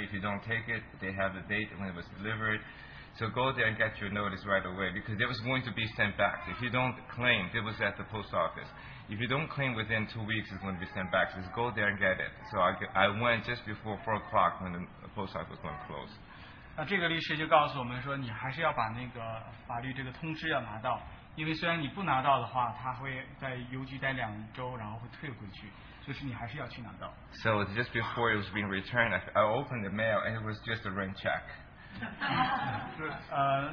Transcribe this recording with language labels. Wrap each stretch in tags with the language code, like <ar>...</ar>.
<en>If you don't take it, they have a date when it was delivered. So go there and get your notice right away because it was going to be sent back. If you don't claim, it was at the post office. If you don't claim within 2 weeks, it's going to be sent back. So just go there and get it. So I went just before 4 o'clock when the post office was going to close.</en> <zh>这个律师就告诉我们说你还是要把那个法律这个通知要拿到。因为虽然你不拿到的话，他会在邮局待2周，然后会退回去，就是你还是要去拿到。So</zh> <en>just before it was being returned, I opened the mail and it was just a rent check.</en>